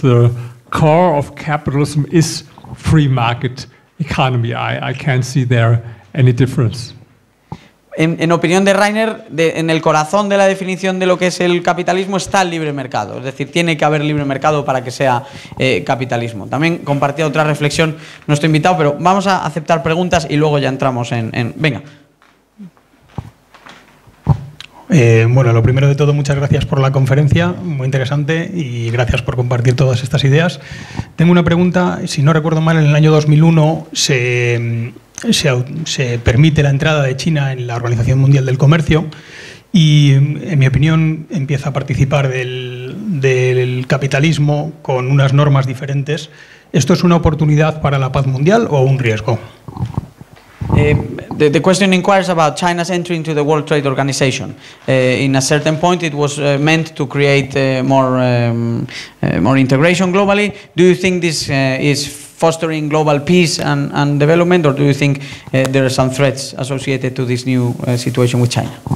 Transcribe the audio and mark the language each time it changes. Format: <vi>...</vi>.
<en>The core of capitalism is free market economy. I can't see there any difference.</en> <es>En opinión de Rainer, en el corazón de la definición de lo que es el capitalismo está el libre mercado. Es decir, tiene que haber libre mercado para que sea capitalismo. También compartía otra reflexión nuestro invitado, pero vamos a aceptar preguntas y luego ya entramos en... Venga. Bueno, lo primero de todo, muchas gracias por la conferencia, muy interesante, y gracias por compartir todas estas ideas. Tengo una pregunta, si no recuerdo mal, en el año 2001 se permite la entrada de China en la Organización Mundial del Comercio y, en mi opinión, empieza a participar del capitalismo con unas normas diferentes. ¿Esto es una oportunidad para la paz mundial o un riesgo?</es> <en>The question inquires about China's entry into the World Trade Organization. In a certain point, it was meant to create more integration globally. Do you think this is fostering global peace and development, or do you think there are some threats associated to this new situation with China?</en>